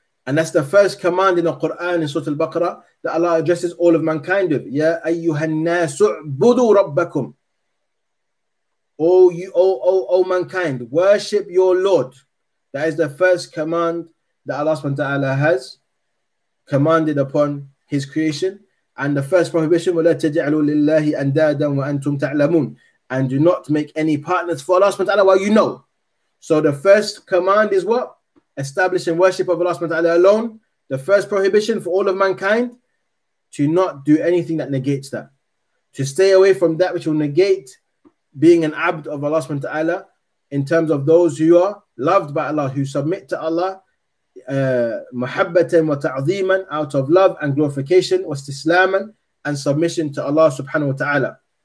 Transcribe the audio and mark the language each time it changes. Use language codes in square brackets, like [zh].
[en] And that's the first command in the Quran in Surah Al-Baqarah that Allah addresses all of mankind with. [ar] Ya ayyuha an-nasu budu rabbakum. [en] Oh, mankind, worship your Lord. That is the first command that Allah subhanahu wa ta'ala has commanded upon his creation. And the first prohibition, [ar] وَلَا تَجْعَلُوا لِلَّهِ أَنْدَادًا وَأَنْتُمْ تَعْلَمُونَ. [en] And do not make any partners for Allah subhanahu wa ta'ala while you know. So the first command is what? Establishing worship of Allah subhanahu wa ta'ala alone. The first prohibition for all of mankind, to not do anything that negates that. To stay away from that which will negate being an abd of Allah subhanahu wa ta'ala in terms of those who are loved by Allah, who submit to Allah, [ar] muhabbatan wa ta'zeeman, [en] out of love and glorification, [ar] wa istislaman, [en] and submission to Allah subhanahu wa ta'ala.